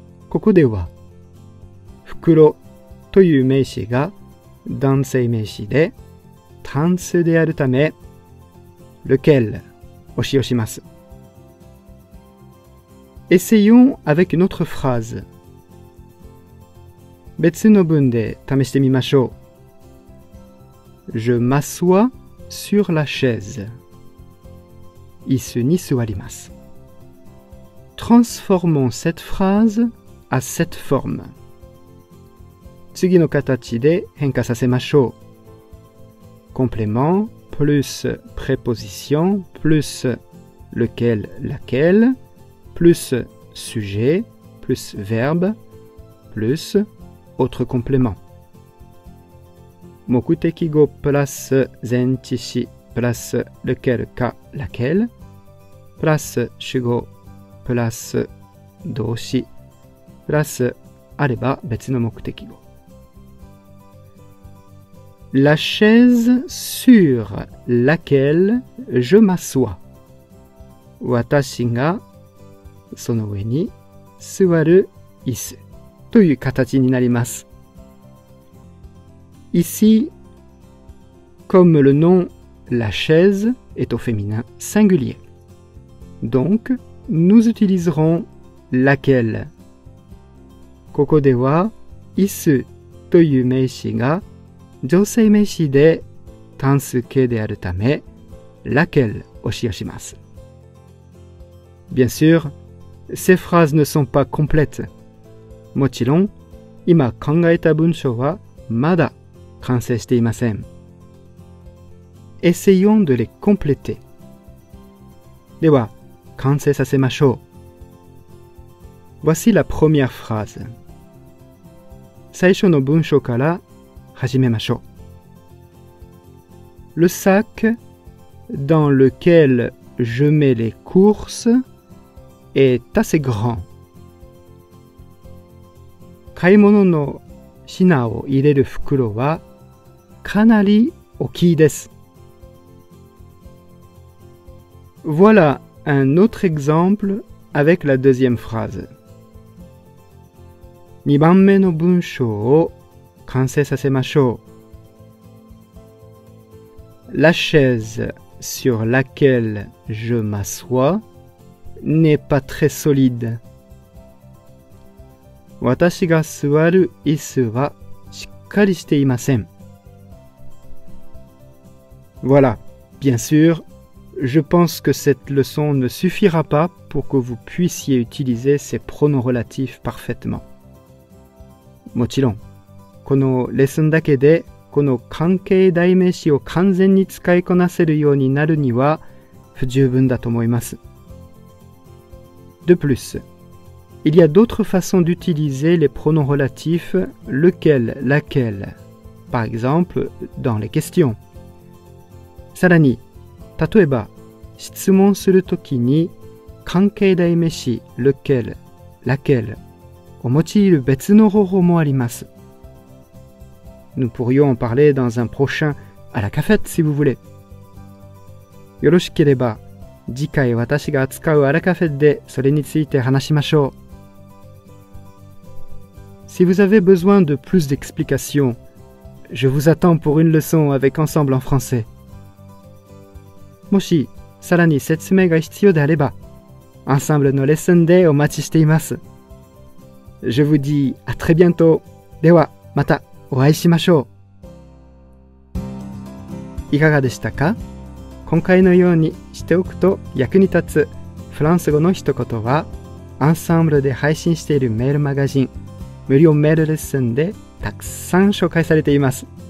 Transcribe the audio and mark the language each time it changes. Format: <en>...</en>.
<ja>ここでは袋という名詞が男性名詞で単数であるため lequel を使用します。</ja> <fr>Essayons avec une autre phrase.</fr> <ja>別の文で試してみましょう。</ja> <fr>Je m'assois sur la chaise.</fr> <ja>椅子に座ります。</ja> <fr>Transformons cette phrase à cette forme.</fr> <ja>次の形で変化させましょう。</ja> <fr>Complément plus préposition plus lequel, laquelle plus sujet plus verbe plus autre complément.</fr> <ja>目的語プラス前置詞プラス lequel, か lequel プラス主語プラス動詞プラスあれば別の目的語。</ja> <fr>La chaise sur laquelle je m'assois.</fr> <ja>私がその上に座る椅子という形になります。</ja> <fr>Ici, comme le nom la chaise est au féminin singulier, donc nous utiliserons laquelle.</fr> <ja>ここでは椅子という名詞が女性名詞で単数形であるため、laquelle を使用します。</ja> <fr>Bien sûr, ces phrases ne sont pas complètes.</fr> <ja>もちろん、今考えた文章はまだ完成していません。</ja> <fr>Essayons de les compléter.</fr> <ja>では、完成させましょう。</ja> <fr>Voici la première phrase.</fr> <ja>最初の文章から始めましょう。</ja> <fr>Le sac dans lequel je mets les courses est assez grand.</fr> <ja>買い物の品を入れる袋はかなり大きいです。</ja> <fr>Voilà un autre exemple avec la deuxième phrase.</fr> <ja>2番目の文章を完成させましょう。</ja> <fr>La chaise sur laquelle je m'assois n'est pas très solide.</fr> <ja>私が座る椅子はしっかりしていません。</ja> <fr>Voilà, bien sûr, je pense que cette leçon ne suffira pas pour que vous puissiez utiliser ces pronoms relatifs parfaitement.</fr> <ja>もちろん、このレッスンだけでこの関係代名詞を完全に使いこなせるようになるには不十分だと思います。</ja> <fr>De plus, il y a d'autres façons d'utiliser les pronoms relatifs lequel, laquelle, par exemple, dans les questions.</fr> <ja>さらに、例えば、質問するときに関係代名詞 lequel, laquelle を用いる別の方法もあります。</ja> <fr>Nous pourrions en parler dans un prochain à la cafette si vous voulez.</fr> <ja>よろしければ、次回私が扱うあらカフェでそれについて話しましょう。</ja> <fr>Si vous avez besoin de plus d'explications, Je vous attends pour une leçon avec Ensemble en français.</fr> <ja>もし、さらに説明が必要であれば、Ensemble のレッスンでお待ちしています。</ja> <fr>Je vous dis à très bientôt.</fr> <ja>では、またお会いしましょう。いかがでしたか？今回のようにしておくと役に立つフランス語の一言は、Ensemble で配信しているメールマガジン、無料メールレッスンでたくさん紹介されています。</ja>